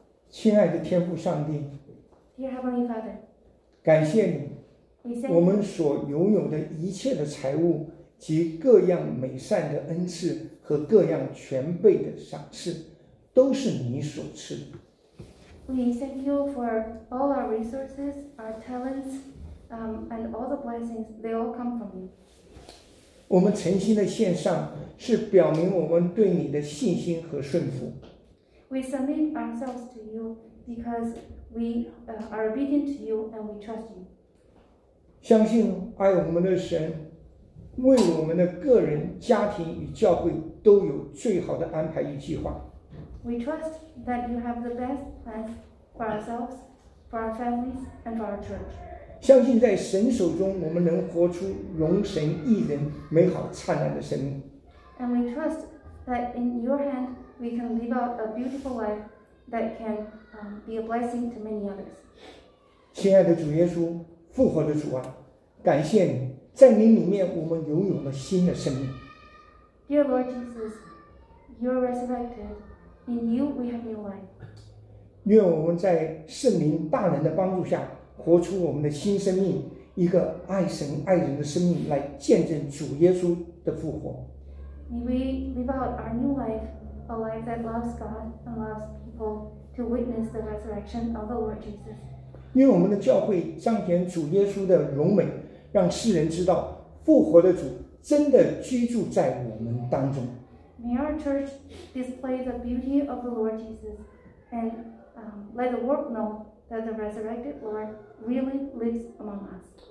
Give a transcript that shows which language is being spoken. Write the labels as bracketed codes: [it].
[zh] 亲爱的天父上帝 [en] Dear Heavenly Father, [zh] 感谢你 [en] we thank [zh] 我们所拥有的一切的财物及各样美善的恩赐和各样全备的赏赐都是你所赐的 [en] We thank you for all our resources, our talents, and all the blessings, they all come from you. [zh] 我们诚心的献上是表明我们对你的信心和顺服 [en] We submit ourselves to you because we are obedient to you and we trust you. [zh] 相信爱我们的神为我们的个人、家庭与教会都有最好的安排与计划。 [en] We trust that you have the best plans for ourselves, for our families, and for our church. [zh] 相信在神手中我们能活出荣神益人、美好灿烂的生命。 [en] And we trust that in your hand,We can live out a beautiful life that can be a blessing to many others. [zh] 亲爱的主耶稣，复活的主啊，感谢你，在你里面我们拥有了新的生命。 [en] Dear Lord Jesus, you are resurrected. In you we have new life. [zh] 愿我们在圣灵大能的帮助下，活出我们的新生命，一个爱神爱人的生命，来见证主耶稣的复活。 [en] May we live out our new life, a life that loves God and loves people, to witness the resurrection of the Lord Jesus. [zh] 因为我们的教会彰显主耶稣的荣美，让世人知道复活的主真的居住在我们当中。 [en] May our church display the beauty of the Lord Jesus and let the world know that the resurrected Lord really lives among us.